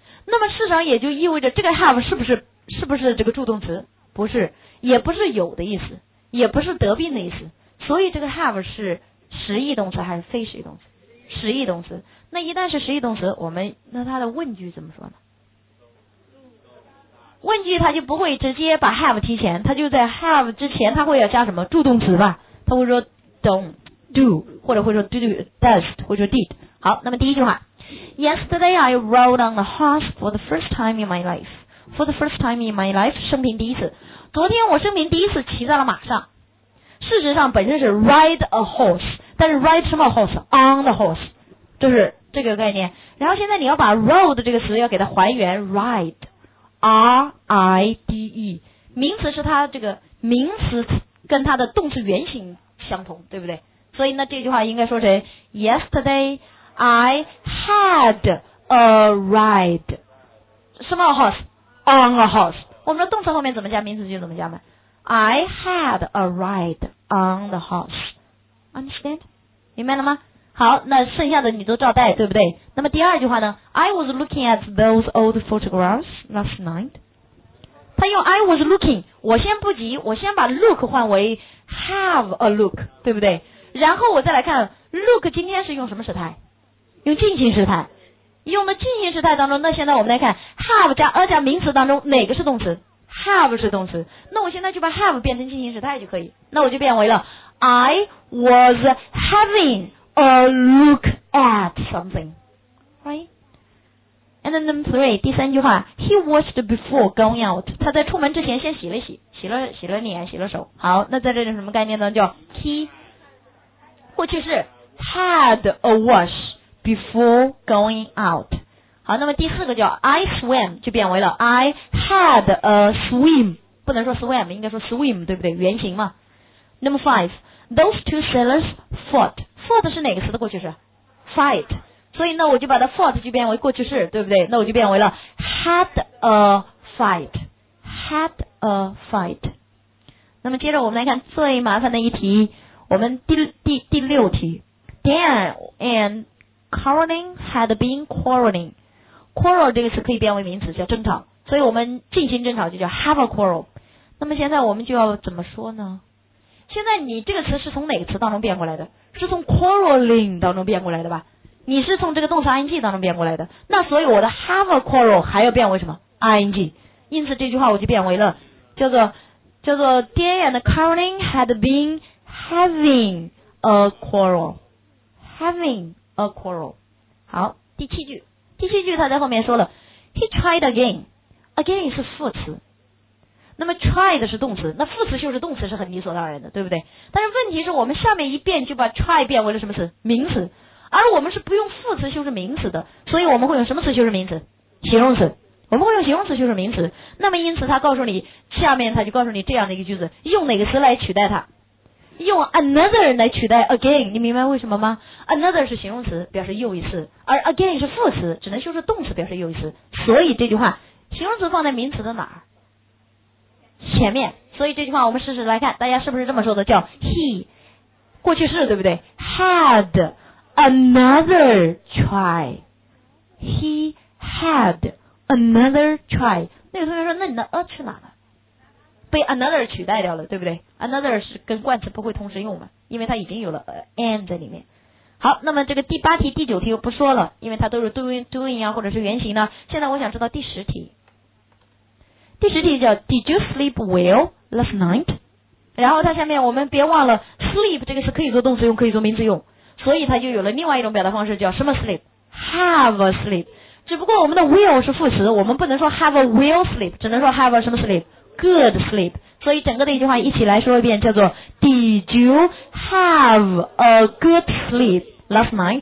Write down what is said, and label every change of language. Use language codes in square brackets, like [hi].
[zh] 那么事实上也就意味着这个 have 是不是这个助动词，不是，也不是有的意思，也不是得病的意思，所以这个 have 是实义动词还是非实义动词？实义动词。那一旦是实义动词，我们那它的问句怎么说呢？问句它就不会直接把 have 提前，它就在 have 之前它会要加什么助动词吧，它会说 [en] don't do， [zh] 或者会说 [en] do does， [zh] 或者说 did。好，那么第一句话， [en] Yesterday I rode on the horse for the first time in my life。 For the first time in my life， [zh] 生平第一次，昨天我生平第一次骑在了马上。事实上本身是 [en] ride a horse， [zh] 但是 ride 什么 horse？ [en] On the horse， [zh] 就是这个概念。然后现在你要把 rode 这个词要给它还原 ride，R-I-D-E， 名词是它这个名词跟它的动词原型相同，对不对？所以那这句话应该说成 [en] Yesterday I had a ride， [zh] 什么 horse？ [en] On a horse。 [zh] 我们的动词后面怎么加名词就怎么加嘛。 [en] I had a ride on the horse， Understand？ [zh] 明白了吗？好，那剩下的你都照带，对不对？那么第二句话呢， [en] I was looking at those old photographs last night。 [zh] 他用 [en] I was looking， [zh] 我先不急，我先把 look 换为 [en] have a look， [zh] 对不对？然后我再来看 look 今天是用什么时态，用进行时态。用的进行时态当中，那现在我们来看 have 加 a 加名词当中哪个是动词？ have 是动词。那我现在就把 have 变成进行时态就可以，那我就变为了 [en] I was havinga look at something， right？ And then number three， [zh] 第三句话， [en] He washed before going out。 [zh] 他在出门之前先洗了洗，洗了洗了脸，洗了手。好，那在这里什么概念呢？叫 he 过去式 [en] had a wash before going out。 [zh] 好，那么第四个叫 I swam， 就变为了 [en] I had a swim， [zh] 不能说 swam， 应该说 swim， 对不对？原型嘛。 [en] Number five， those two sailors fought。 [zh] fought 是哪个词的过去式？ [en] fight。 [zh] 所以那我就把它 fought 就变为过去式，对不对？那我就变为了 [en] had a fight， had a fight。 [zh] 那么接着我们来看最麻烦的一题，我们第六题， [en] Dan and Carolyn had been quarreling。 [zh] quarrel 这个词可以变为名词叫争吵，所以我们进行争吵就叫 [en] have a quarrel。 [zh] 那么现在我们就要怎么说呢？现在你这个词是从哪个词当中变过来的？是从 quarreling 当中变过来的吧？你是从这个动词 ing 当中变过来的，那所以我的 [en] have a quarrel [zh] 还要变为什么 ing？因此这句话我就变为了叫做 [en] Dan and Carolyn had been having a quarrel， having a quarrel。 [zh] 好，第七句他在后面说了 [en] He tried again， [zh] again 是副词，那么 try 的是动词，那副词就是动词是很理所当然的，对不对？但是问题是我们下面一变就把 try 变为了什么词？名词。而我们是不用副词修饰名词的，所以我们会用什么词修饰名词？形容词。我们会用形容词修饰名词。那么因此他告诉你，下面他就告诉你这样的一个句子，用哪个词来取代它？用 another 来取代 again， 你明白为什么吗？another 是形容词表示又一次，而 again 是副词，只能修饰动词表示又一次。所以这句话形容词放在名词的哪儿？前面。所以这句话我们试试来看，大家是不是这么说的，叫 he 过去式，对不对？ [en] had another try， he had another try。 [zh] 那个同学说，那你的 a 去哪了？被 another 取代掉了，对不对？ another 是跟冠词不会同时用嘛，因为它已经有了 and 在里面。好，那么这个第八题第九题我不说了，因为它都是 doing 啊，或者是原型呢。现在我想知道第十题叫 [en] Did you sleep well last night？ [zh] 然后它下面我们别忘了 sleep 这个是可以做动词用，可以做名词用，所以它就有了另外一种表达方式，叫什么 sleep？ [en] Have a sleep。 [zh] 只不过我们的 well 是副词，我们不能说 [en] have a well sleep， [zh] 只能说 have a 什么 sleep？ [en] Good sleep。 [zh] 所以整个的一句话一起来说一遍，叫做 [en] Did you have a good sleep last night？